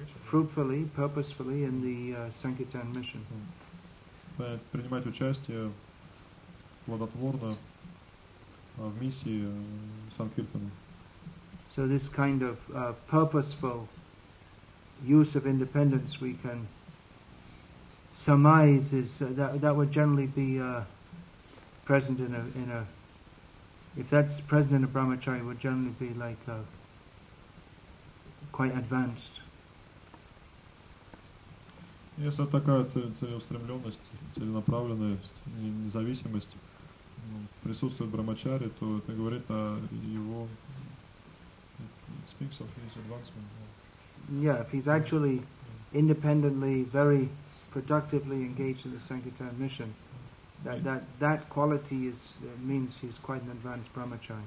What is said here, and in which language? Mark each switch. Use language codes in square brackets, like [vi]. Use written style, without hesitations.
[en] fruitfully, purposefully in the Sankirtan mission. [ru] Принимать участие плодотворно в миссии Санкиртана. [en] So this kind of purposeful use of independence we can surmise is that would generally be present in a if that's present in a brahmachari would generally be like a quite advanced. [ru] Если такая целеустремленность, целенаправленность, независимость присутствует в брахмачари, то это говорит о его [en] speaks of his advancement. Yeah, if he's actually independently, very productively engaged in the Sankirtan mission, that quality is means he's quite an advanced brahmachari.